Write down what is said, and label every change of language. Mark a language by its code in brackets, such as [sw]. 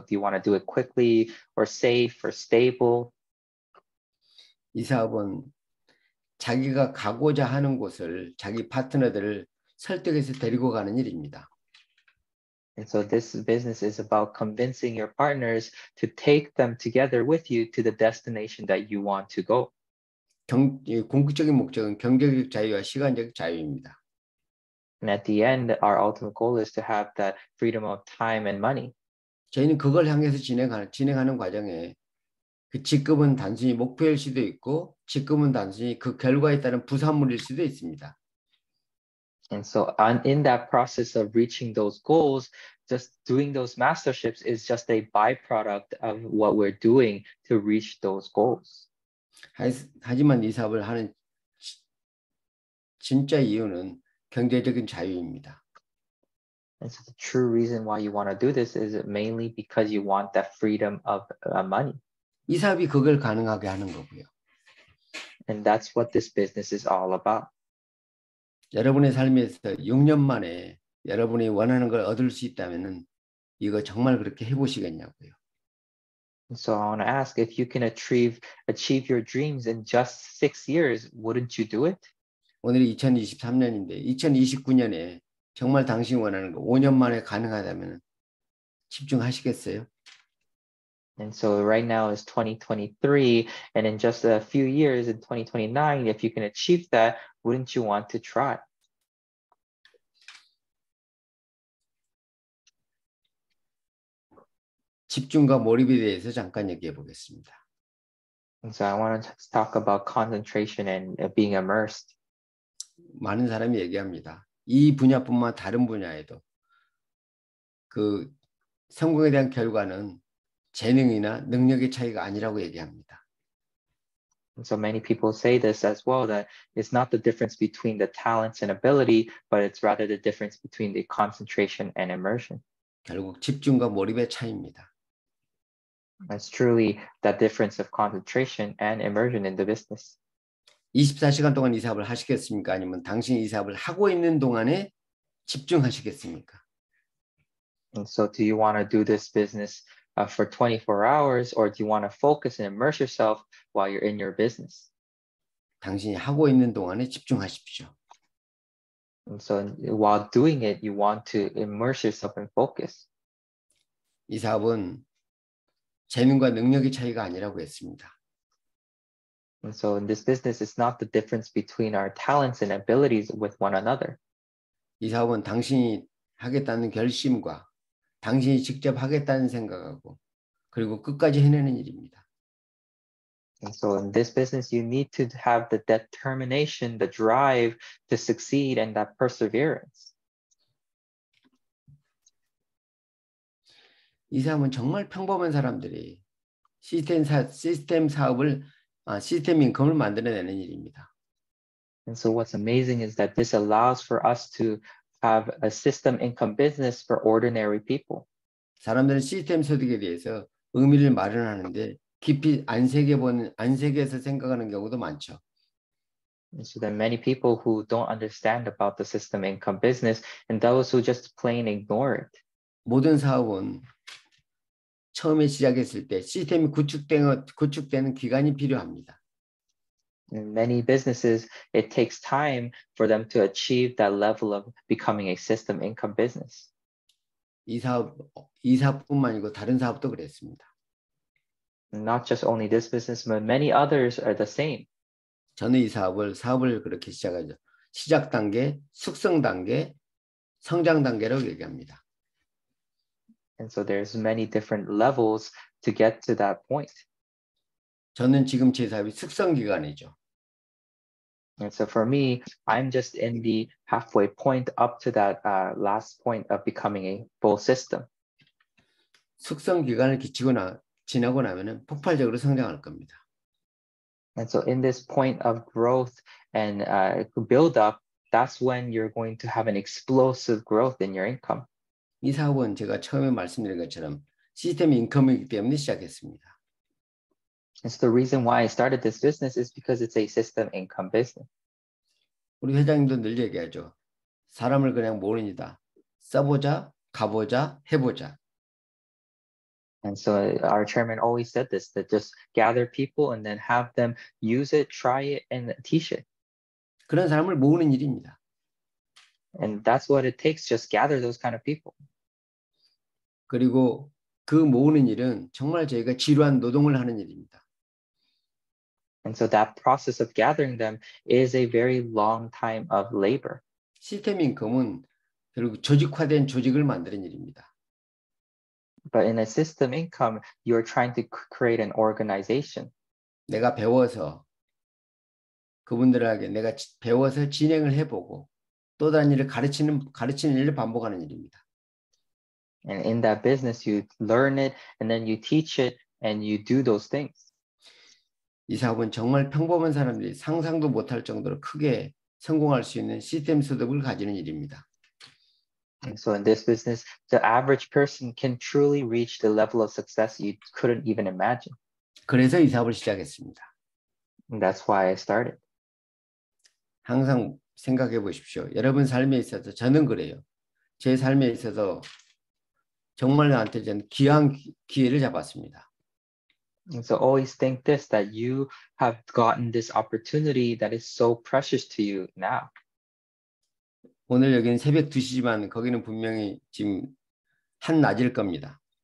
[en] So do you want to do it quickly or safe or stable? [ko] 이 사업은 자기가 가고자 하는 곳을 자기 파트너들을 설득해서 데리고 가는 일입니다. [en] And so this business is about convincing your partners to take them together with you to the destination that you want to go. [ko] 궁극적인 목적은 경제적 자유와 시간적 자유입니다. [en] And at the end, our ultimate goal is to have that freedom of time and money. [ko] 저희는 그걸 향해서 진행하는 과정에 그 직급은 단순히 목표일 수도 있고, 직급은 단순히 그 결과에 따른 부산물일 수도 있습니다. [en] And so in that process of reaching those goals, just doing those masterships is just a byproduct of what we're doing to reach those goals. [ko] 하지만 이 사업을 하는 진짜 이유는 경제적인 자유입니다. [en] And so the true reason why you want to do this is mainly because you want that freedom of money. [ko] 이 사업이 그걸 가능하게 하는 거고요. [en] And that's what this business is all about. [ko] 여러분의 삶에서 6년 만에 여러분이 원하는 걸 얻을 수 있다면은 이거 정말 그렇게 해보시겠냐고요. [en] So I want to ask if you can achieve your dreams in just 6 years, wouldn't you do it? [ko] 오늘이 2023년인데 2029년에 정말 당신이 원하는 거 5년 만에 가능하다면 집중하시겠어요? [en] And so right now is 2023, and in just a few years, in 2029, if you can achieve that, wouldn't you want to try? [ko] 집중과 몰입에 대해서 잠깐 얘기해 보겠습니다. [en] And so I want to talk about concentration and being immersed. [ko] 많은 사람이 얘기합니다. 이 분야뿐만 다른 분야에도 그 성공에 대한 결과는 재능이나 능력의 차이가 아니라고 얘기합니다. [en] And so many people say this as well, that it's not the difference between the talents and ability, but it's rather the difference between the concentration and immersion. [ko] 결국 집중과 몰입의 차이입니다. [en] That's truly the difference of concentration and immersion in the business. [ko] 24시간 동안 이 사업을 하시겠습니까? 아니면 당신이 이 사업을 하고 있는 동안에 집중하시겠습니까? [en] And so do you want to do this business for 24 hours, or do you want to focus and immerse yourself while you're in your business? [ko] 당신이 하고 있는 동안에 집중하십시오. [en] And so while doing it, you want to immerse yourself and focus. [ko] 이 사업은 재능과 능력의 차이가 아니라고 했습니다. [en] And so in this business, it's not the difference between our talents and abilities with one another. [ko] 이 사업은 당신이 하겠다는 결심과 당신이 직접 하겠다는 생각하고 그리고 끝까지 해내는 일입니다. [en] And so in this business, you need to have the determination, the drive to succeed and that perseverance. [ko] 이 사람은 정말 평범한 사람들이 시스템 사업을 시스템 인컴을 만들어내는 일입니다. [en] And so what's amazing is that this allows for us to have a system income business for ordinary people. [ko] 사람들은 시스템 소득에 대해서 의미를 마련하는데 깊이 안색에서 생각하는 경우도 많죠. [en] And so there are many people who don't understand about the system income business and those who just plain ignore it. [ko] 모든 사업은 처음에 시작했을 때 시스템이 구축되는 기간이 필요합니다. [en] In many businesses, it takes time for them to achieve that level of becoming a system income business. [ko] 이 사업뿐만 아니고 다른 사업도 그랬습니다. [en] Not just only this business, but many others are the same. [ko] 저는 이 사업을 그렇게 시작하죠. 시작 단계, 숙성 단계, 성장 단계로 얘기합니다. [en] And so there's many different levels to get to that point. [ko] 저는 지금 제 사업이 숙성 기간이죠. [en] And so for me, I'm just in the halfway point up to that last point of becoming a full system. [ko] 숙성 기간을 지나고 나면은 폭발적으로 성장할 겁니다. [en] And so in this point of growth and build up, that's when you're going to have an explosive growth in your income. [ko] 이 사업은 제가 처음에 말씀드린 것처럼 시스템 인컴이기 때문에 시작했습니다. [en] And so the reason why I started this business is because it's a system income business. [ko] 우리 회장님도 늘 얘기하죠. 사람을 그냥 모른다. 써보자, 가보자, 해보자. [en] And so our chairman always said this, that just gather people and then have them use it, try it, and teach it. [ko] 그런 사람을 모으는 일입니다. [en] And that's what it takes, just gather those kind of people. [ko] 그리고 그 모으는 일은 정말 저희가 지루한 노동을 하는 일입니다. [en] And so that process of gathering them is a very long time of labor. [ko] 시스템 인컴은 결국 조직화된 조직을 만드는 일입니다. [en] But in a system income, you're trying to create an organization. [ko] 내가 배워서 그분들에게 내가 배워서 진행을 해보고 또 다른 일을 가르치는 일을 반복하는 일입니다. [en] And in that business, you learn it, and then you teach it, and you do those things. [ko] 이 사업은 정말 평범한 사람들이 상상도 못할 정도로 크게 성공할 수 있는 시스템 소득을 가지는 일입니다. [en] And so in this business, the average person can truly reach the level of success you couldn't even imagine. [ko] 그래서 이 사업을 시작했습니다. [en] And that's why I started. [ko] 항상 생각해 보십시오. 여러분 삶에 있어서 저는 그래요. 제 삶에 있어서 정말 나한테 전 귀한 기회를 잡았습니다. [en] And so always think this, that you have gotten this opportunity that is so precious to you now. [ko] 오늘 여기는 새벽 2시지만 거기는 분명히 지금 한낮일 겁니다.